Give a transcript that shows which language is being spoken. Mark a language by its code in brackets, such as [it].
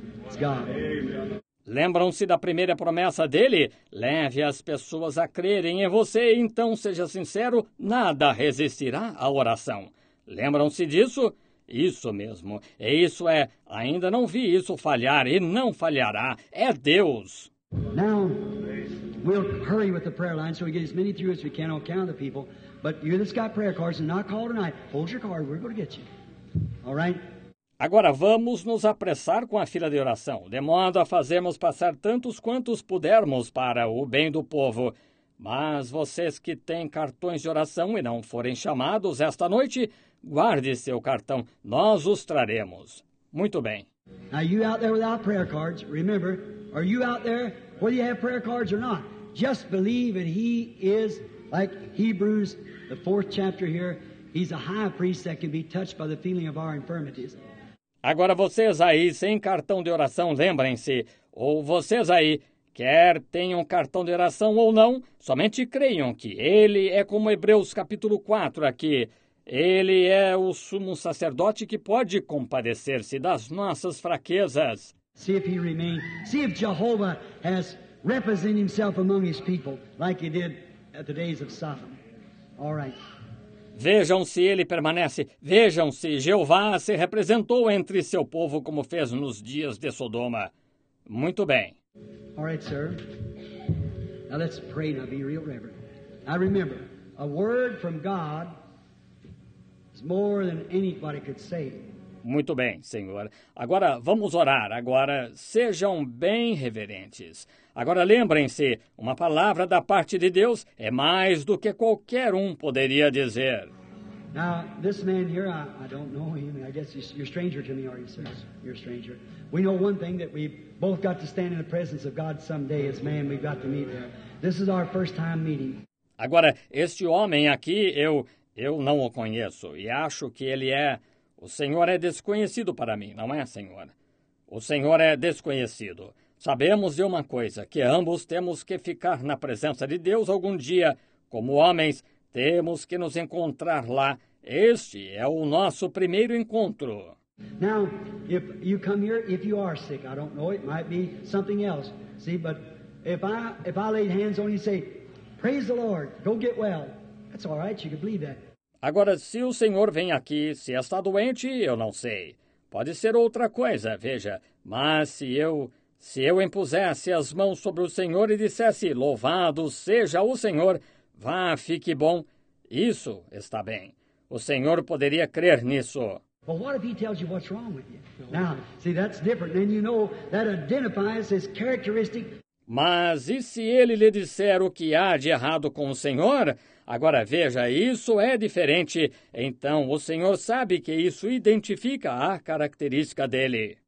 [en] It's God. Amen. [pt] Lembram-se da primeira promessa dele? Leve as pessoas a crerem em você, então seja sincero, nada resistirá à oração. Lembram-se disso? Isso mesmo. E isso é, ainda não vi isso falhar e não falhará. É Deus. [en] Now, we'll hurry with the prayer line so we get as many through as we can on count of the people. But you that's got prayer cards and not called tonight, hold your card, we're going to get you. All right? [pt] Agora vamos nos apressar com a fila de oração, de modo a fazermos passar tantos quantos pudermos para o bem do povo. Mas vocês que têm cartões de oração e não forem chamados esta noite, guarde seu cartão, nós os traremos. Muito bem. [en] Now you out there without prayer cards, remember, are you out there, whether you have prayer cards or not, just believe that he is like Hebrews, the fourth chapter here, he's a high priest that can be touched by the feeling of our infirmities. [pt] Agora vocês aí, sem cartão de oração, lembrem-se, ou vocês aí, quer tenham cartão de oração ou não, somente creiam que ele é como Hebreus capítulo 4 aqui. Ele é o sumo sacerdote que pode compadecer-se das nossas fraquezas. [en] See if he remains, see if Jehovah has represented himself among his people, like he did at the days of Sodom. All right. [pt] Vejam se ele permanece, vejam se Jeová se representou entre seu povo como fez nos dias de Sodoma. Muito bem. [en] All right, sir. Now let's pray and I'll be real reverent. I remember, a word from God is more than anybody could say. [pt] Muito bem, Senhor. Agora vamos orar. Agora sejam bem reverentes. Agora lembrem-se, uma palavra da parte de Deus é mais do que qualquer um poderia dizer. [en] Now, this man here, I don't know him. I guess you're a stranger to me, are you, sir? You're a stranger. We know one thing, that we both got to stand in the presence of God someday. As man, we've got to meet there. This is our first time meeting. [pt] Agora, este homem aqui, eu não o conheço. E acho que ele é... O Senhor é desconhecido para mim, não é, Senhor? O Senhor é desconhecido. Sabemos de uma coisa, que ambos temos que ficar na presença de Deus algum dia. Como homens, temos que nos encontrar lá. Este é o nosso primeiro encontro. [en] Now, if you come here, if you are sick, I don't know, it might be something else. See, but if I lay hands on you and say, praise the Lord, go get well. That's all right, you can believe that. [pt] Agora, se o Senhor vem aqui, se está doente, eu não sei. Pode ser outra coisa, veja. Mas se eu impusesse as mãos sobre o Senhor e dissesse, louvado seja o Senhor, vá, fique bom, isso está bem. O Senhor poderia crer nisso. [en] Well, what if he tells you what's wrong with you? Now, see, that's different. Then you know that identifies his characteristic. [pt] Mas e se ele lhe disser o que há de errado com o Senhor? Agora veja, isso é diferente. Então o Senhor sabe que isso identifica a característica dele.